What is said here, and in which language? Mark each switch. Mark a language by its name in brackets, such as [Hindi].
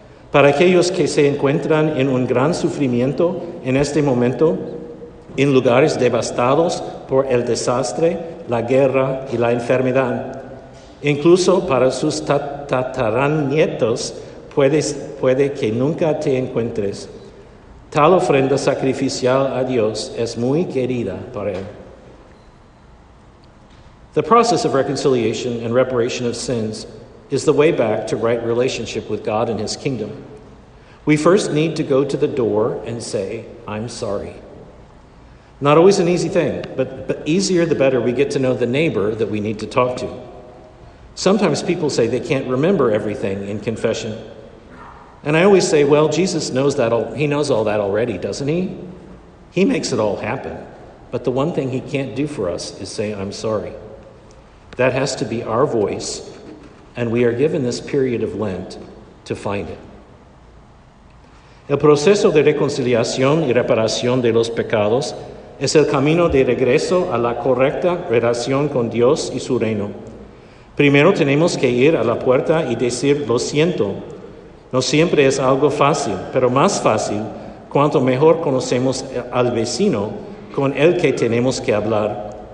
[Spanish] Para aquellos que se encuentran en un gran sufrimiento en este momento, en lugares devastados por el desastre, la guerra y la enfermedad, incluso para sus tataranietos, puede que nunca te encuentres. Tal ofrenda sacrificial a Dios es muy querida para él. [English] The process of reconciliation and reparation of sins is the way back to right relationship with God and his kingdom. We first need to go to the door and say, "I'm sorry." Not always an easy thing, but easier the better we get to know the neighbor that we need to talk to. Sometimes people say they can't remember everything in confession. And I always say, well, Jesus knows that all, he knows all that already, doesn't he? He makes it all happen. But the one thing he can't do for us is say, "I'm sorry." That has to be our voice, and we are given this period of Lent to find it. [Spanish] El proceso de reconciliación y reparación de los pecados es el camino de regreso a la correcta relación con Dios y su reino. Primero tenemos que ir a la puerta y decir, "Lo siento." No siempre es algo fácil, pero más fácil cuanto mejor conocemos al vecino con el que tenemos que hablar.